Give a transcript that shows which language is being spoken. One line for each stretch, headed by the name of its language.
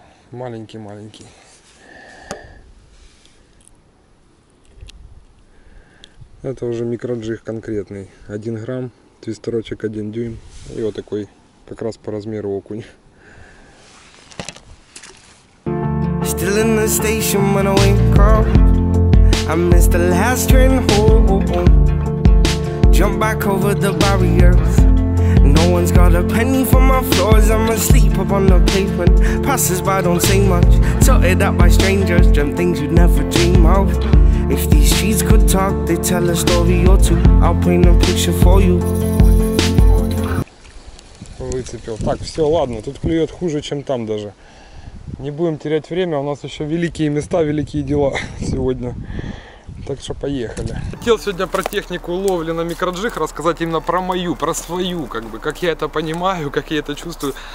Russian: Маленький-маленький. Это уже микроджиг конкретный. 1 грамм, твистерочек 1 дюйм. И вот такой как раз по размеру окунь.
English: Still in the station when I wake up, I miss the last train home. Jump back over the barriers, no one's got a penny for my floors. I'm asleep upon the pavement, passers-by don't say much. Tutted up by strangers, dream things you'd never dream of. If these streets could talk, they'd tell a story or two. I'll paint a picture for you.
Russian: Выцепил. Так, все, ладно, тут клюет хуже, чем там даже. Не будем терять время, у нас еще великие места, великие дела сегодня. Так что поехали. Хотел сегодня про технику ловли на микроджиг рассказать, именно про мою, про свою, как бы, как я это понимаю, как я это чувствую.